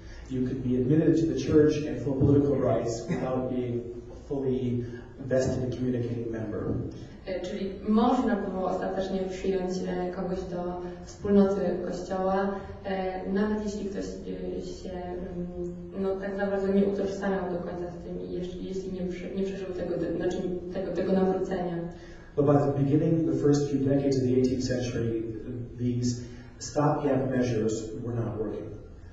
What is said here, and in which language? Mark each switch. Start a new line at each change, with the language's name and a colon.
English: You could be admitted to the church and full political rights without being fully vested in communicating member.
Polish: Czyli można było ostatecznie przyjąć kogoś do wspólnoty kościoła, nawet jeśli ktoś się tak naprawdę nie utożsamiał do końca z tym, jeśli nie przeżył tego nawrócenia.
English: But by the beginning, the first few decades of the 18th century, these stopgap measures were not working.